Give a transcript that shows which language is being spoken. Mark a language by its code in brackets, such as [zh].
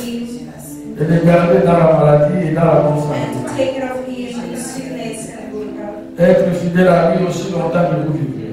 [en] him? [fr] Et le garder dans la maladie et dans la bonne santé. [en] And to take care of him, his sickness and good health. [fr] Être fidèle à lui aussi longtemps que vous vivez.